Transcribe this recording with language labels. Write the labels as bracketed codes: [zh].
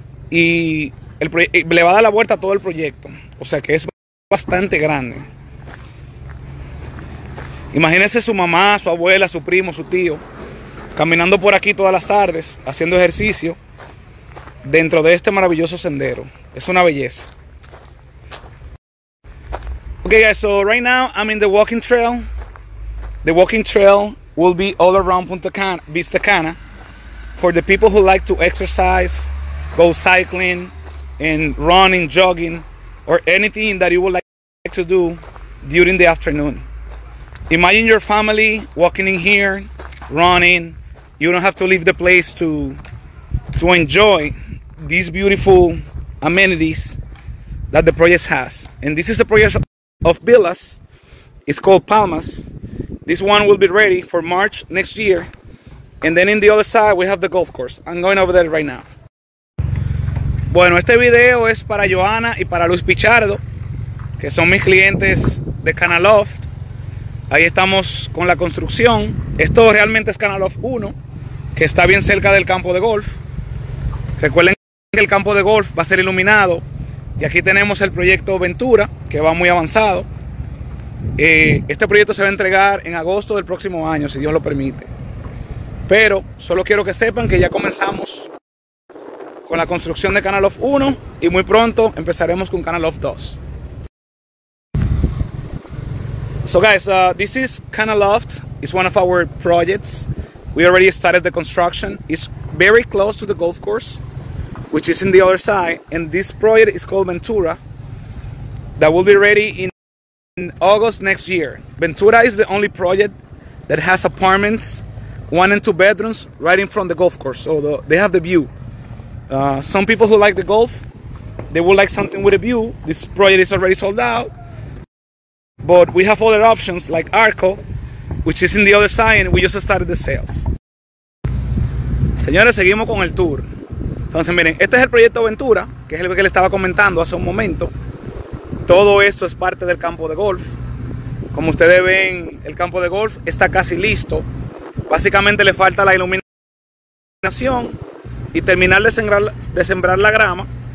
[es] y le va a dar la vuelta a todo el proyecto. O sea que es bastante grande. Imagínese su mamá, su abuela, su primo, su tío, caminando por aquí todas las tardes, haciendo ejercicio, dentro de este maravilloso sendero. Es una belleza. [en] Okay guys, so right now I'm in the walking trail. The walking trail will be all around Punta Cana, Vista Cana, for the people who like to exercise, go cycling, and running, jogging, or anything that you would like to do during the afternoon. Imagine your family walking in here, running. You don't have to leave the place to enjoy these beautiful amenities that the project has. And this is a project of villas. It's called Palmas. This one will be ready for March next year. And then in the other side, we have the golf course. I'm going over there right now. [es] Bueno, este video es para Joana y para Luis Pichardo, que son mis clientes de Canaloft. Ahí estamos con la construcción. Esto realmente es Canaloft 1, que está bien cerca del campo de golf. Recuerden que el campo de golf va a ser iluminado. Y aquí tenemos el proyecto Ventura, que va muy avanzado. Este proyecto se va a entregar en agosto del próximo año, si Dios lo permite. Pero solo quiero que sepan que ya comenzamos con la construcción de Canaloft 1 y muy pronto empezaremos con Canaloft 2. [en] So guys, this is Canaloft. It's one of our projects. We already started the construction. It's very close to the golf course, which is in the other side. And this project is called Ventura, that will be ready in August next year. Ventura is the only project that has apartments, 1 and 2 bedrooms, right in front of the golf course. So they have the view. Some people who like the golf, they would like something with a view. This project is already sold out. But we have other options like Arco, which is in the other side, and we just started the sales. [es] Señores, seguimos con el tour. Entonces, miren, este es el proyecto Ventura, que es el que les estaba comentando hace un momento. Todo esto es parte del campo de golf. Como ustedes ven, el campo de golf está casi listo. Básicamente le falta la iluminación y terminar de sembrar la grama.